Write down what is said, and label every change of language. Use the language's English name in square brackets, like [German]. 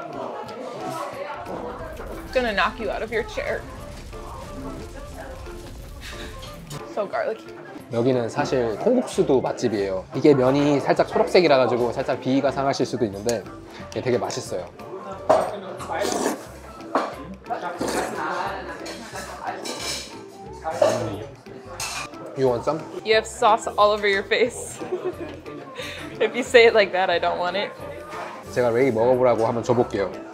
[English] It's gonna knock you out of your chair. So garlicky. [Korean] 여기는 사실 콩국수도 맛집이에요. 이게 면이 살짝 초록색이라 가지고 살짝 비위가 상하실 수도 있는데 이게 되게 맛있어요. [English] 음. You want some? You have sauce all over your face. If you say it like that, I don't want it. [Korean] 제가 레이 먹어보라고 한번 줘볼게요.